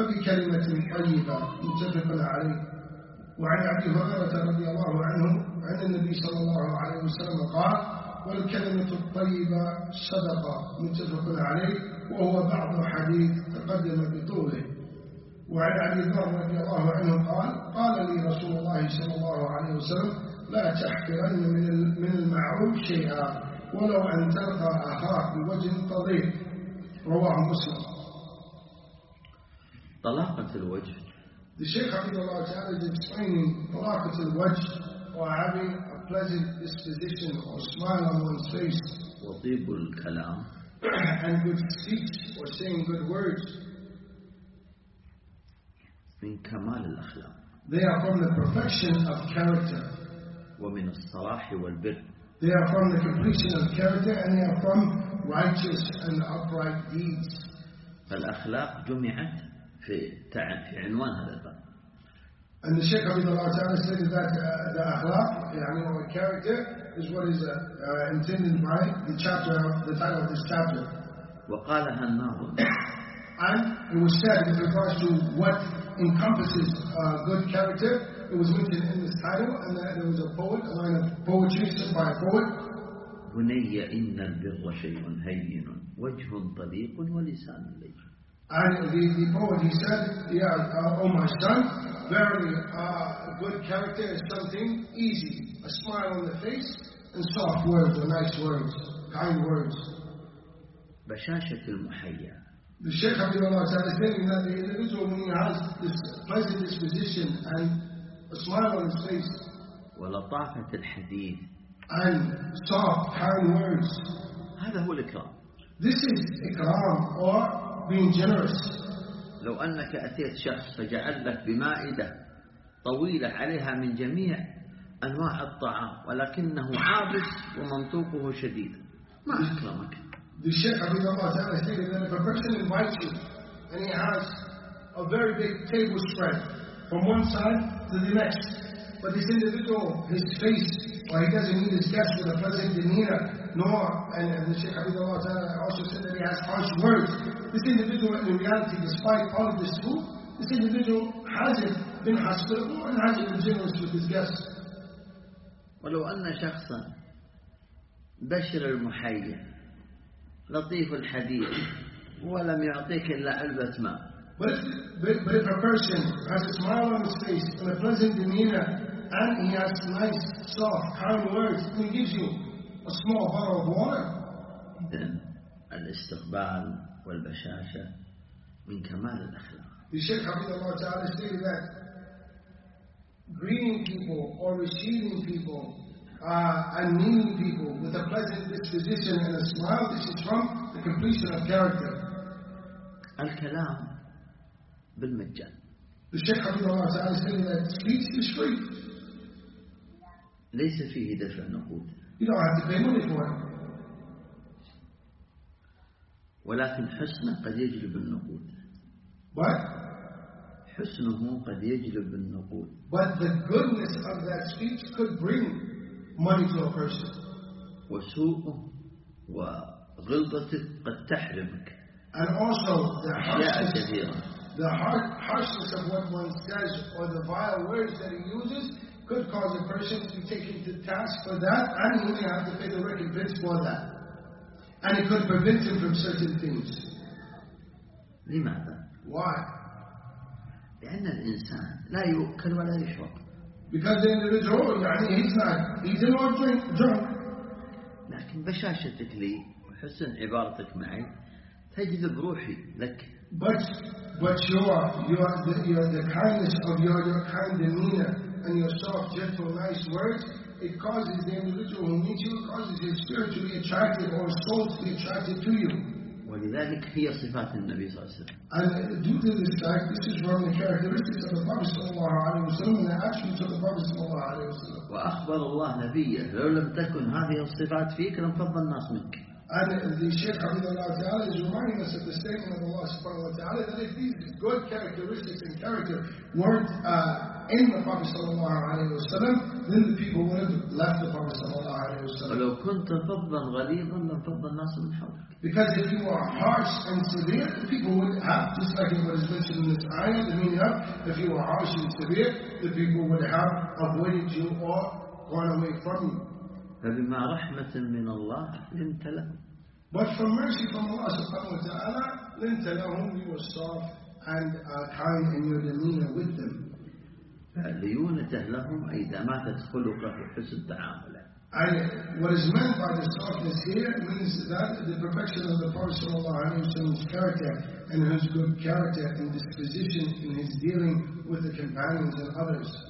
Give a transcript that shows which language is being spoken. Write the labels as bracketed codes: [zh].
[ar] فبكلمة طيبة متفق عليه. وعن أبي هريرة رضي الله عنه عن النبي صلى الله عليه وسلم قال: والكلمة الطيبة صدقة، متفق عليه، وهو بعض حديث تقدم بطوله. وعن أبي ذر رضي الله عنه قال: قال لي رسول الله صلى الله عليه وسلم: لا تحقرن من المعروف شيئا ولو أن تلقى أخاك بوجه طليق. رواه مسلم. طلاقة الوجه. [en] The Shaykh Abdullah Ta'ala is explaining [ar] طلاقة الوجه, [en] or having a pleasant disposition or smile on one's face. [ar] وطيب الكلام. [en] And good speech or saying good words. [ar] من كمال الأخلاق. [en] They are from the perfection of character. [ar] ومن الصلاح والبر. [en] They are from the completion of character, and they are from righteous and upright deeds. [ar] فالأخلاق جمعت في عنوان هذا الباب. [en] And the Shaykh Abdullah Ta'ala said that the akhlaq, يعني our character, is what is intended by the chapter, the title of this chapter. [ar] وقالها الناظم. [en] And it was said with regards to what encompasses good character, it was mentioned in this title, and that there was a poet, a line of poetry by a poet. [ar] بني إن البر شيء هين وجه طليق ولسان لين. [en] And the poet, he said, yeah, oh my son, verily good character is something easy, a smile on the face, and soft words, or nice words, kind words. [ar] بشاشة المحيا. [en] The Shaykh Abdullah Ta'ala is saying that the individual, when he has this pleasant disposition and a smile on his face, [ar] ولطافة الحديد. [en] And soft, kind words. [ar] هذا هو الإكرام. [en] This is إكرام, or being generous. [ar] لو أنك أتيت شخص فجعل لك بمائدة طويلة عليها من جميع أنواع الطعام ولكنه عابس ومنطوقه شديد ما أكرمك. [en] The Shaykh Abu Dhabi Ta'ala stated that if a person invites you and he has a very big table spread from one side to the next, but this individual, his face, or he doesn't meet his guests with a pleasant demeanor, nor, and the Shaykh Abu Dhabi Ta'ala also said that he has harsh words, this individual, in reality, despite all of this food, this individual hasn't been hospitable and hasn't been generous with his guests. [ar] ولو أن شخصا بشر المحيي لطيف الحديث ولم يعطيك إلا علبة ماء. [en] But if a person has a smile on his face and a pleasant demeanor, and he has nice, soft, kind words, and he gives you a small bottle of water, [ar] then الاستقبال والبشاشة من كمال الأخلاق. [en] The Shaykh Abdullah Ta'ala stated that greeting people or receiving people and meeting people with a pleasant disposition and a smile, this is from the completion of character. [ar] الكلام بالمجان. [en] The Shaykh Abdullah Ta'ala stated that speech is free. [ar] ليس فيه دفع نقود. [en] You don't have to pay money for it. [ar] ولكن حسنه قد يجلب النقود. [en] What? [ar] حسنه قد يجلب النقود. [en] But the goodness of that speech could bring money to a person. [ar] وسوءه وغلطته قد تحرمك. [en] And also the harshness of what one says or the vile words that he uses could cause a person to be taken to task for that, and he may have to pay the recompense for that. And it could prevent him from certain things. [ar] لماذا؟ [en] Why? [ar] لأن الإنسان لا يؤكل ولا يشرب. [en] Because the individual, يعني he's in or drunk. [ar] لكن بشاشتك لي وحسن عبارتك معي تجذب روحي لك. [en] But your kindness of your kind demeanor and your soft, gentle, nice words, it causes the individual who meets you, it causes his spirit to be attracted or his soul to be attracted to you. [ar] ولذلك هي صفات النبي صلى الله عليه وسلم. [en] And due to this fact, this is from the characteristics of the Prophet [ar] صلى الله عليه وسلم [en] and the attributes of the Prophet صلى الله عليه وسلم. [ar] وأخبر الله نبيه لو لم تكن هذه الصفات فيك لانفض الناس منك. [en] And the Shaykh Hafidhullah Ta'ala is reminding us of the statement of Allah subhanahu wa ta'ala that if these good characteristics and character weren't in the Prophet sallallahu alayhi wa sallam, then the people would have left the Prophet sallallahu alayhi wa sallam. [ar] وَلَوْ كُنْتَ فَضًّا غَلِيظًا لَفَضَّ النَّاسُ مِنْ حَوْلِكَ. [en] Because if you are harsh and severe, the people would have, just like what is mentioned in this ayah, the meaning of, if you were harsh and severe, the people would have avoided you or gone away from you. [ar] فبما رحمة من الله لنت لهم. [en] But from mercy from Allah subhanahu wa ta'ala, [ar] لنت لهم, [en] you were soft and kind in your demeanor with them. [ar] ليونته لهم أي دماتت خلقه حسن تعامله. [en] And what is meant by the softness here means that the perfection of the Prophet sallallahu alayhi wa sallam's character and his good character and disposition in his dealing with the companions and others.